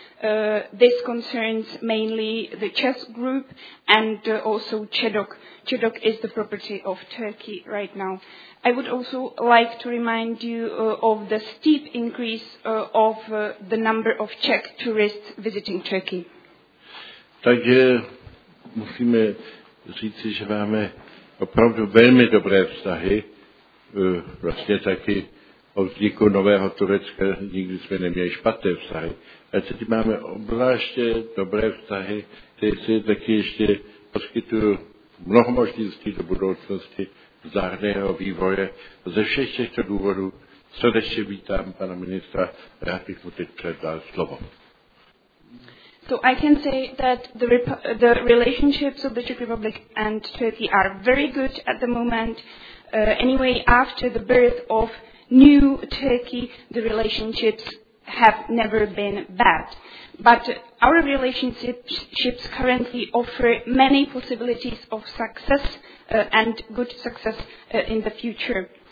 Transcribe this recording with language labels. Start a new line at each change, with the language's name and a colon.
English: This concerns mainly the ČEZ group and also ČEDOK. ČEDOK is the property of Turkey right now. I would also like to remind you of the steep increase of the number of Czech tourists visiting Turkey.
Czech: Takže musíme říci, že máme opravdu velmi dobré vztahy, vlastně taky o vzniku nového Turecka nikdy jsme neměli špatné vztahy. A teď máme obzvláště dobré vztahy, které si taky ještě poskytují mnoho možností do budoucnosti zdárného vývoje. Ze všech těchto důvodů srdečně vítám pana ministra, rád bych mu teď předal slovo.
English: So I can say that the relationships of the Czech Republic and Turkey are very good at the moment. Anyway, after the birth of new Turkey, the relationships have never been bad. But our relationships currently offer many possibilities of success and good success in the future.